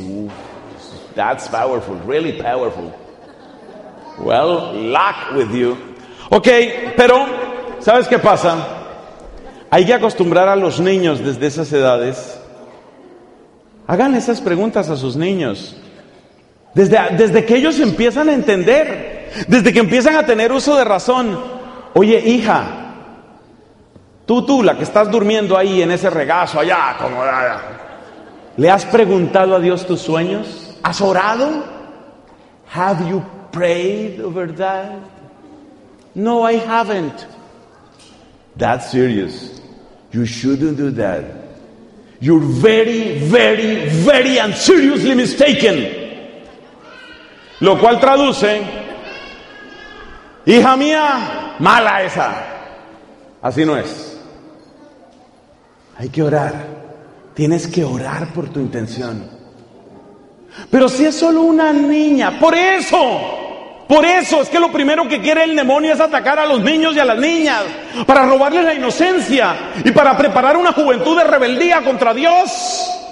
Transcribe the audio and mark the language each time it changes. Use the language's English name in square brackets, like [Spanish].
[English] Uf, that's powerful, really powerful. Well, luck with you. Okay, [Spanish] pero ¿sabes qué pasa? Hay que acostumbrar a los niños desde esas edades. Hagan esas preguntas a sus niños. Desde que ellos empiezan a entender, desde que empiezan a tener uso de razón. Oye, hija, tú, la que estás durmiendo ahí en ese regazo, allá, acomodada, ¿le has preguntado a Dios tus sueños? ¿Has orado? [English] Have you prayed over that? No, I haven't. That's serious. You shouldn't do that. You're very, very, very and seriously mistaken. [Spanish] Lo cual traduce, hija mía, mala esa. Así no es. Hay que orar. Tienes que orar por tu intención. Pero si es solo una niña, por eso, es que lo primero que quiere el demonio es atacar a los niños y a las niñas para robarles la inocencia y para preparar una juventud de rebeldía contra Dios.